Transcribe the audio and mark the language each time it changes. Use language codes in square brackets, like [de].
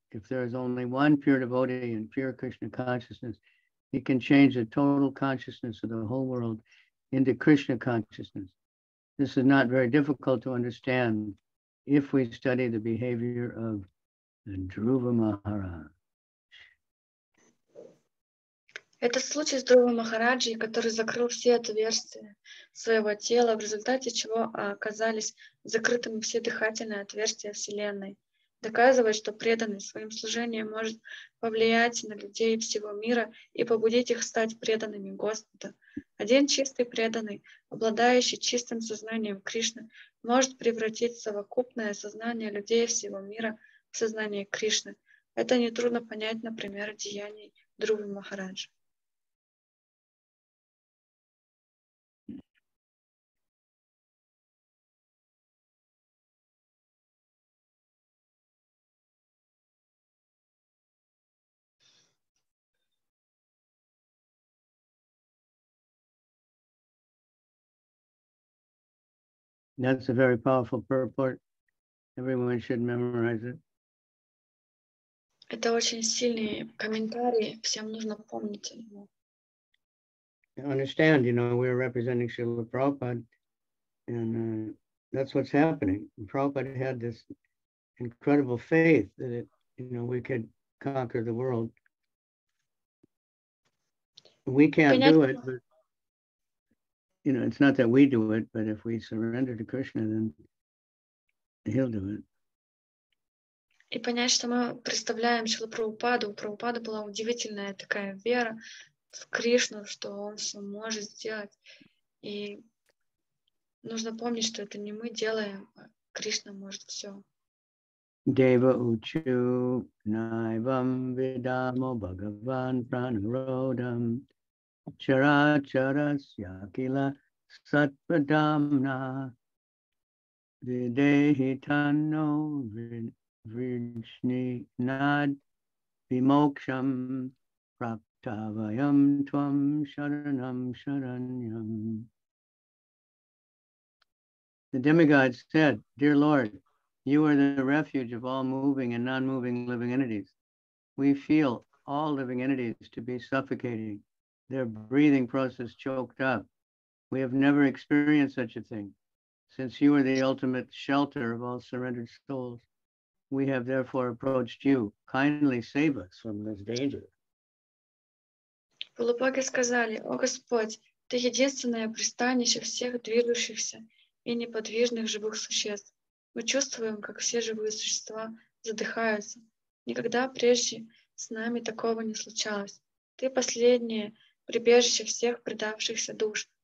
[en] If there is only one pure devotee in pure Krishna consciousness, he can change the total consciousness of the whole world into Krishna consciousness. This is not very difficult to understand if we study the behavior of Dhruva Mahārāja. [ru] Это случай с Дхрувой Махараджей, который закрыл все отверстия своего тела, в результате чего оказались закрытыми все дыхательные отверстия Вселенной, доказывая, что преданный своим служением может повлиять на людей всего мира и побудить их стать преданными Господу. Один чистый преданный, обладающий чистым сознанием Кришны, может превратить совокупное сознание людей всего мира в сознание Кришны. Это нетрудно понять, например, деяний Дхрувы Махараджи. [en] That's a very powerful purport. Everyone should memorize it. [ru] Это очень сильный комментарий. Всем нужно помнить его. [en] I understand, you know, we're representing Srila Prabhupada, and that's what's happening. Prabhupada had this incredible faith that it, you know, we could conquer the world. We can't do it, but you know, it's not that we do it, but if we surrender to Krishna, then he'll do it. [ru] И понять, что мы представляем Шрилу Прабхупаду. У Прабхупады была удивительная такая вера в Кришну, что он все может сделать. И нужно помнить, что это не мы делаем, а Кришна может все. [sa] Дева учу найвам видамо бхагаван пранародам чара чара сьякила Satpadamna Videhitano Vrishni Nad Vimoksham Praptavayam Twam Sharanam Sharanyam. [en] The demigod said, "Dear Lord, you are the refuge of all moving and non-moving living entities. We feel all living entities to be suffocating, their breathing process choked up. We have never experienced such a thing. Since you are the ultimate shelter of all surrendered souls, we have therefore approached you. Kindly save us from this danger." [ru] Полубоги сказали: "О Господь, ты единственное пристанище всех движущихся и неподвижных живых существ. Мы чувствуем, как все живые существа задыхаются. Никогда прежде с нами такого не случалось. Ты последнее прибежище всех предавшихся душ.